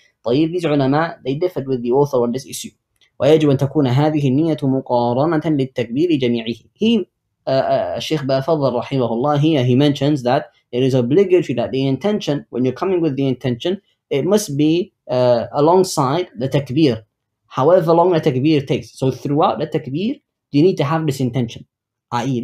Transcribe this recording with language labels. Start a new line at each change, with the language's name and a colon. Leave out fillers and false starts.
English: طيب, these ulama, they differed with the author on this issue.
Arabic: ويجب أن تكون هذه النية مقارنة للتكبير جميعه.
English: الشيخ بافضل رحمه الله, he mentions that it is obligatory that the intention, when you're coming with the intention, it must be alongside the takbir, however long the takbir takes. So throughout the takbir, you need to have this intention, i.e.